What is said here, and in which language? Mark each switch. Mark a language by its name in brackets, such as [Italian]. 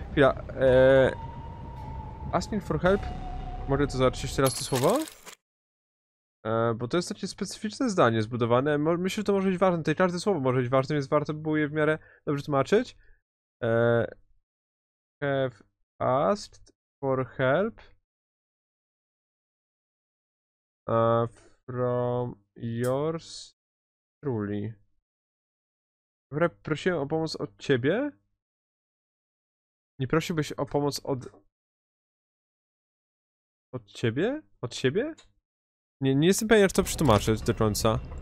[Polish] Chwila, [English] asking for help... [Polish] Mogę to zobaczyć jeszcze raz to słowo? Bo to jest takie specyficzne zdanie zbudowane. Myślę, że to może być ważne. Tej każde słowo może być ważne, więc warto by było je w miarę dobrze tłumaczyć. [English] Have asked for help from yours truly. [Polish] Dobra, prosiłem o pomoc od ciebie? Nie prosiłbyś o pomoc od... Od ciebie? Od siebie? Nie jestem pewien, jak to przetłumaczyć do końca.